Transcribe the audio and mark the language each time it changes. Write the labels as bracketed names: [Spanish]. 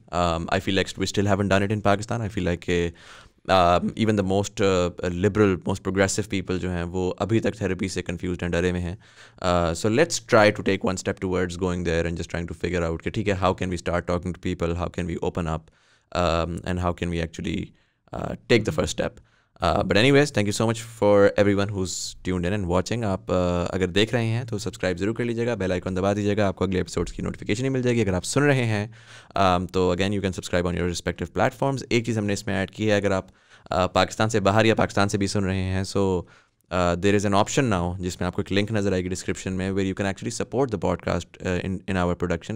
[English] I feel like we still haven't done it in Pakistan. I feel like even the most liberal most progressive people [Urdu] جو ہیں وہ ابھی تک therapy سے confused and ڈرے ہوئے ہیں. [English] so let's try to take one step towards going there and just trying to figure out [Urdu] کہ ٹھیک ہے [English] How can we start talking to people, how can we open up, and how can we actually take the first step. But anyways, thank you so much for everyone who's tuned in and watching. [Urdu] آپ اگر دیکھ رہے ہیں تو subscribe ضرور کر لیجیے گا, bell icon دبا دیجیے گا, آپ کو اگلے اپیسوڈس کی نوٹیفکیشن ہی مل جائے گی. اگر آپ سن رہے ہیں تو [English] Again you can subscribe on your respective platforms. [Urdu] ایک چیز ہم نے اس میں ایڈ کی ہے, اگر آپ پاکستان سے باہر یا پاکستان سے بھی سن رہے ہیں, [English] so there is an option now [Urdu] جس میں آپ کو ایک لنک نظر آئے گی ڈسکرپشن میں, [English] Where you can actually support the podcast in our production.